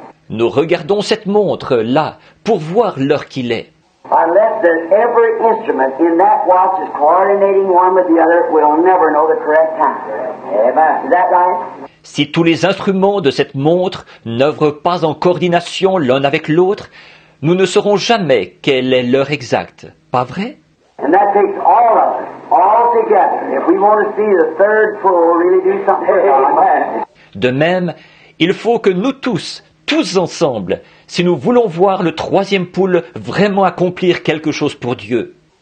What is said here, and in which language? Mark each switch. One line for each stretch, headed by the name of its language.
French: Nous regardons cette montre là pour voir l'heure qu'il est.
English: Unless that every instrument in that watch is coordinating one with the other, we'll never know the correct time. Amen. Is that right?
French: Si tous les instruments de cette montre n'œuvrent pas en coordination l'un avec l'autre, nous ne saurons jamais quelle est l'heure exacte. Pas vrai?
English: And that takes all of us, all together, if we want to see the third fool really do something. Amen.
French: De même, il faut que nous tous ensemble, si nous voulons voir le troisième poule vraiment accomplir quelque chose pour Dieu.